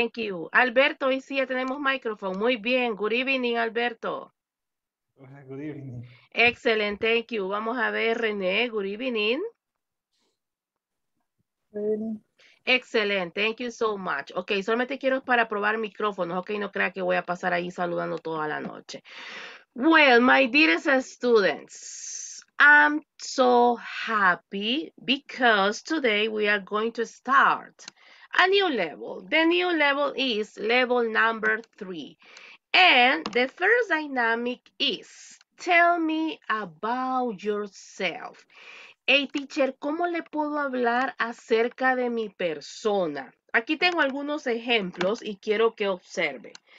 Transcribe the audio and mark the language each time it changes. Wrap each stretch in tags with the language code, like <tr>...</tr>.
<en>thank you.</en> <es>Alberto, hoy sí ya tenemos micrófono. Muy bien,</es> <en>good evening,</en> <es>Alberto.</es> <en>Good evening.</en> <es>Excelente,</es> <en>thank you.</en> <es>Vamos a ver, René,</es> <en>good evening. Evening.</en> <es>Excelente,</es> <en>thank you so much.</en> <es>Ok, solamente quiero para probar micrófonos. Ok, no crea que voy a pasar ahí saludando toda la noche.</es> <en>Well, my dearest students, I'm so happy because today we are going to start a new level. The new level is level number three. And the first dynamic is, tell me about yourself. Hey, teacher,</en> <es>¿cómo le puedo hablar acerca de mi persona? Aquí tengo algunos ejemplos y quiero que observe.</es>